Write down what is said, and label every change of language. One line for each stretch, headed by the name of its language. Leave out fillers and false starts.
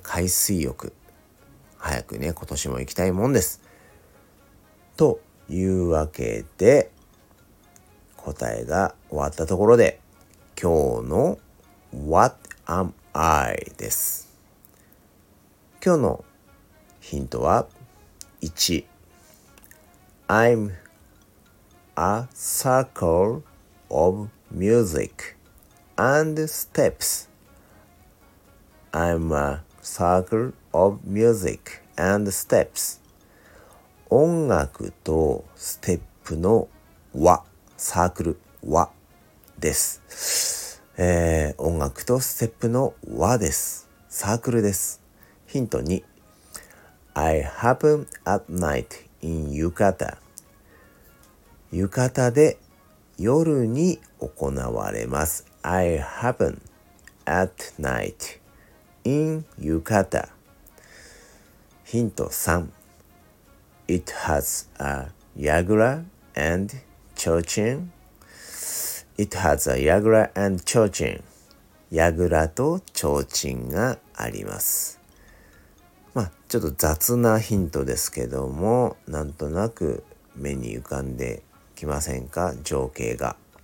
Japanese: 海水浴、早くね、今年も行きたいもんです。というわけで答えが終わったところで、今日の What am I です。今日のヒントは1、
English: I'm a circle of music and steps. I'm a circle of music and steps.
Japanese: 音楽とステップの輪、サークル、輪です。音楽とステップの輪です。サークルです。ヒント2、
English: I happen at night in Yukata.
Japanese: 浴衣で夜に行われます。
English: I happen at night in 浴衣。
Japanese: ヒント3。
English: It has a yagura and chochin. It has a yagura and chochin.
Japanese: やぐらとちょうちんがあります。まあ、ちょっと雑なヒントですけども、なんとなく目に浮かんで、来ませんか、情景が。